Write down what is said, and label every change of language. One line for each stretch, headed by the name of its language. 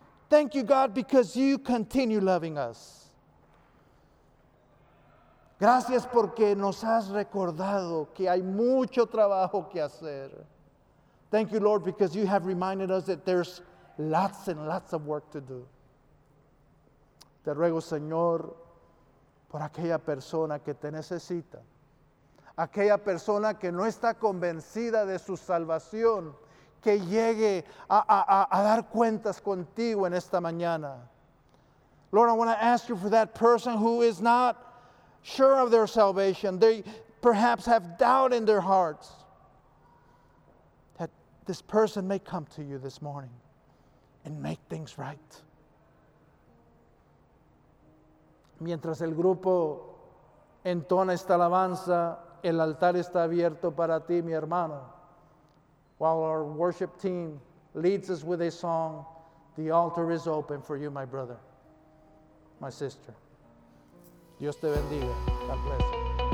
English: Thank you, God, because you continue loving us.
Spanish: Gracias porque nos has recordado que hay mucho trabajo que hacer.
English: Thank you, Lord, because you have reminded us that there's lots and lots of work to do.
Spanish: Te ruego, Señor, por aquella persona que te necesita, aquella persona que no está convencida de su salvación, que llegue a dar cuentas contigo en esta mañana.
English: Lord, I want to ask you for that person who is not sure of their salvation. They perhaps have doubt in their hearts, that this person may come to you this morning and make things right.
Spanish: Mientras el grupo entona esta alabanza, el altar está abierto para ti, mi hermano.
English: while our worship team leads us with a song, the altar is open for you, my brother, my sister.
Spanish: Dios te bendiga.
English: God bless you.